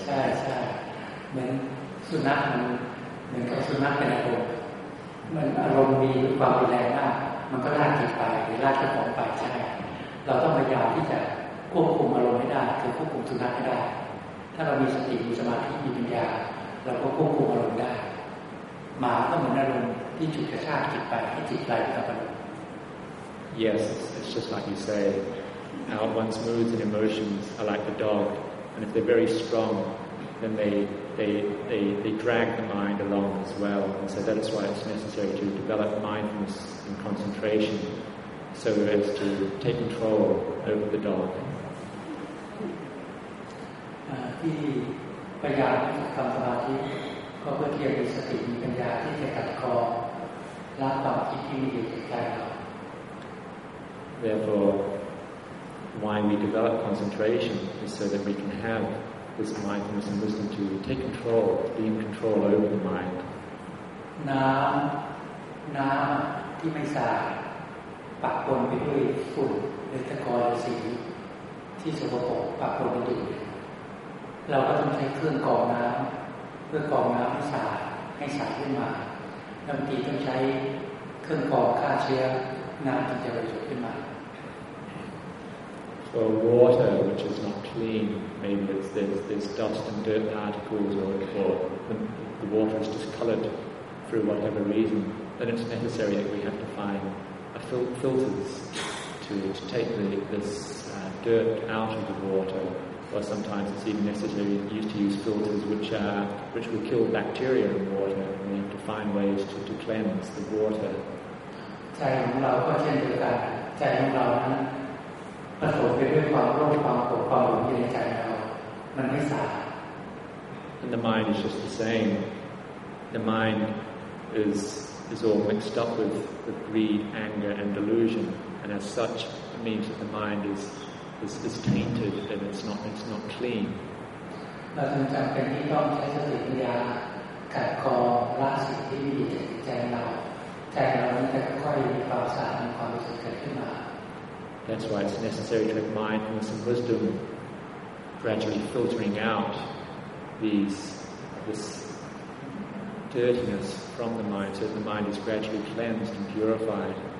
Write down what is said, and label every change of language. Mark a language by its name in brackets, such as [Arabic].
[Thai] ใช่ใช่เหมือนสุนัขเหมือนกับสุนัขเป็นอารมณ์มันอารมณ์มีความแรงมากมันก็ลากจิตไปหรือลากเจ้าของไปใช่เราต้องพยายามที่จะควบคุมอารมณ์ให้ได้คือควบคุมสุนัขให้ได้ถ้าเรามีสติมีสมาธิมีปัญญาเราก็ควบคุมอารมณ์ได้มาก็เหมือนอารมณ์ที่ฉุดกระชากจิตไปให้จิตไหลไปกับอารมณ์ [English] Yes, it's just like you say. How one's moods and emotions are like the dog, and if they're very strong, then they drag the mind along as well. And so that's why it's necessary to develop mindfulness and concentration, so as to take control over the dog. [Thai] ที่พยายามทำสมาธิก็เพื่อเพียรมีสติมีปัญญาที่จะกัดกรองละความคิดที่มีอยู่ในใจเรา [English] Therefore, why we develop concentration is so that we can have this mindfulness and wisdom to take control, be in control over the mind. [Thai] น้ำที่ไม่สะอาดปะปนไปด้วยฝุ่นเลอะกรองสีที่สกปรกปะปนไปด้วยเราก็ต้องใช้เครื่องกรองน้ำเพื่อกรองน้ำให้สะอาดให้สะอาดขึ้นมาบางทีต้องใช้เครื่องกรองฆ่าเชื้อน้ำที่จะบริสุทธิ์ขึ้นมา [English] For water which is not clean, maybe there's dust and dirt particles or the water is discolored through whatever reason, then it's necessary that we have to find filters to take this dirt out of the water. Or sometimes it's even necessary to use filters which will kill bacteria in water. We have to find ways to cleanse the water. [Thai] ใจของเราก็เช่นเดียวกันใจของเรานั้นผสมไปด้วยความโลภความโกรธความหลงอยู่ในใจเรามันไม่สะอาด [English] And the mind is just the same. The mind is all mixed up with greed, anger, and delusion. And as such, it means that the mind is tainted and it's not clean. [Thai] เราจึงจำเป็นที่ต้องใช้สติปัญญาขัดกรองละสิ่งที่มีอยู่ในใจเราใจเรานั้นจะค่อยมีความสะอาดมีความบริสุทธิ์เกิดขึ้นมา [English] That's why it's necessary to have mindfulness and wisdom gradually filtering out this dirtiness from the mind so the mind is gradually cleansed and purified.